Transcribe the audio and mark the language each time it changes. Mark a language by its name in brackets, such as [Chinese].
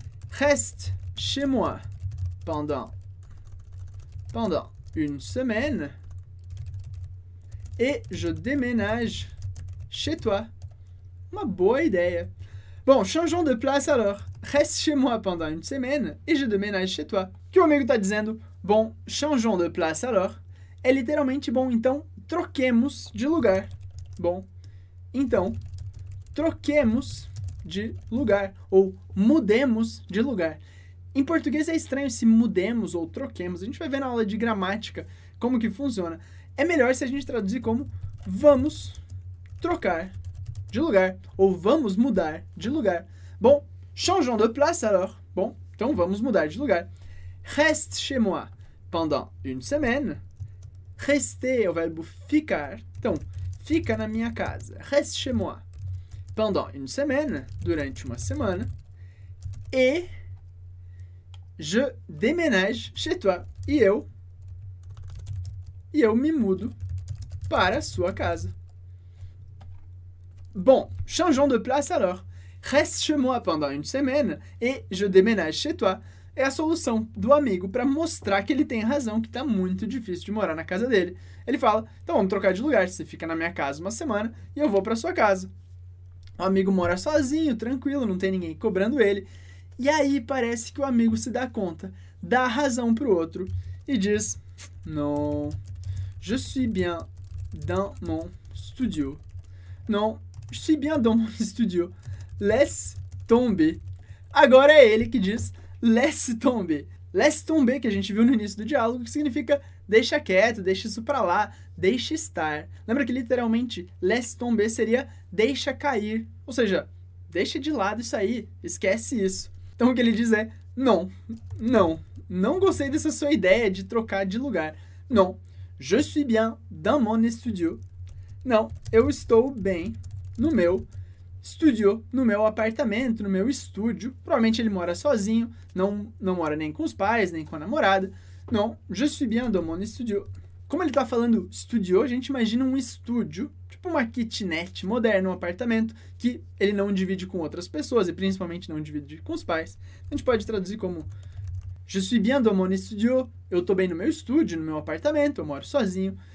[French] Reste chez moi pendant une semaine et je déménage chez toi. [Portuguese] Uma boa ideia. [French] Bon, changeons de place alors. Reste chez moi pendant une semaine et je déménage chez toi. [Portuguese] Que o amigo está dizendo? [French] Bon, changeons de place alors. [Portuguese] É literalmente bom, então troquemos de lugar. Bom, então troquemos de lugar ou mudemos de lugar. Em português é estranho esse mudemos ou troquemos. A gente vai ver na aula de gramática como que funciona. É melhor se a gente traduzir como vamos trocar de lugar ou vamos mudar de lugar. Bom, [French] changeons de place alors. [Portuguese] Bom, então vamos mudar de lugar. [French] Reste chez moi pendant une semaine. [Portuguese] Rester é o verbo ficar. Então, fica na minha casa. [French] Reste chez moi pendant une semaine, [Portuguese] durante uma semana. [French] E je déménage chez toi. [Portuguese] E eu me mudo para a sua casa. [French] Bom, changeons de place alors. Reste chez moi pendant une semaine et je déménage chez toi. [Portuguese] É a solução do amigo para mostrar que ele tem razão, que tá muito difícil de morar na casa dele. Ele fala: Então vamos trocar de lugar. Você fica na minha casa uma semana e eu vou para sua casa. O amigo mora sozinho, tranquilo, não tem ninguém cobrando ele. E aí parece que o amigo se dá conta, dá razão pro outro e diz: [French] Non, je suis bien dans mon studio. Non, je suis bien dans mon studio. Laisse tomber. [Portuguese] Agora é ele que diz: [French] Laisse tomber. Laisse tomber, [Portuguese] que a gente viu no início do diálogo, que significa deixa quieto, deixa isso pra lá, deixa estar. Lembra que literalmente [French] laisse tomber [Portuguese] seria deixa cair. Ou seja, deixa de lado isso aí, esquece isso. Então o que ele diz é: [French] Non, non. [Portuguese] Não gostei dessa sua ideia de trocar de lugar. [French] Non, je suis bien dans mon studio. [Portuguese] Não, eu estou bem no meu studio, no meu apartamento, no meu estúdio. Provavelmente ele mora sozinho, não mora nem com os pais, nem com a namorada. Non, je suis bien dans mon studio. Como ele está falando studio, a gente imagina um estúdio, tipo uma kitnet moderna, um apartamento, que ele não divide com outras pessoas e principalmente não divide com os pais. A gente pode traduzir como: [French] Je suis bien dans mon studio. [Portuguese] Eu tô bem no meu estúdio, no meu apartamento, eu moro sozinho.